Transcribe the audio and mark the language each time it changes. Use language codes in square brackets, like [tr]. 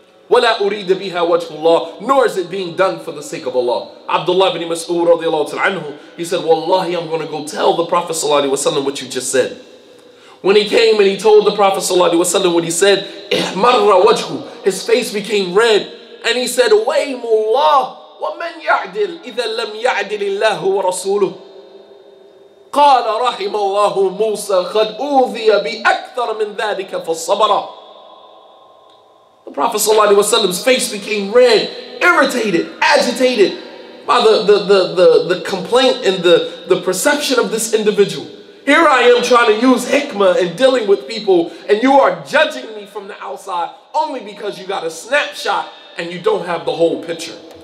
[ar] وَلَا أُرِيدَ بِهَا وَجْهُ اللَّهِ, [en] nor is it being done for the sake of Allah. Abdullah ibn Mas'ud radiallahu ta'ala anhu, he said, "Wallahi, I'm going to go tell the Prophet sallallahu alaihi wasallam what you just said." When he came and he told the Prophet sallallahu alaihi wasallam what he said, [ar] إِحْمَرَّ وَجْهُ, [en] his face became red, and he said, [ar] "وَيْمُ اللَّهِ وَمَنْ يعدل إذا لم يعدل الله ورسوله. قال رحم الله موسى قد أوذي بأكثر من ذلك فالصبر. [en] The Prophet صلى الله عليه وسلم's face became red, irritated, agitated by the complaint and the perception of this individual. Here I am trying to use hikmah and dealing with people, and you are judging me from the outside only because you got a snapshot and you don't have the whole picture.